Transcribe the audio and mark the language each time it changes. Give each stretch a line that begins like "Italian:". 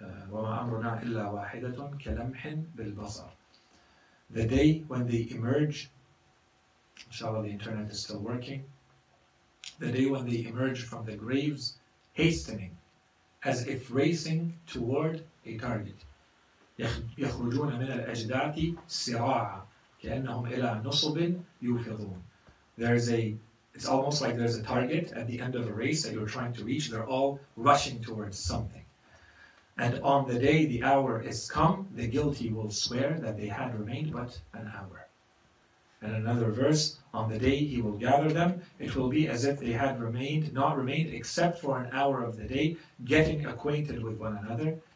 Arabic: وَمَا أَمْرُنَا إِلَّا وَاحِدَةٌ كَلَمْحٍ بِالْبَصَرِ.
English: The day when they emerge, inshallah the internet is still working, the day when they emerge from the graves, hastening, as if racing toward a target.
Arabic: يخرجون من الأجداث سراعا كأنهم إلى نصب يوفضون.
English: it's almost like there's a target at the end of a race that you're trying to reach. They're all rushing towards something. And on the day the hour is come, the guilty will swear that they had remained but an hour. And another verse, on the day he will gather them, it will be as if they had not remained except for an hour of the day, getting acquainted with one another.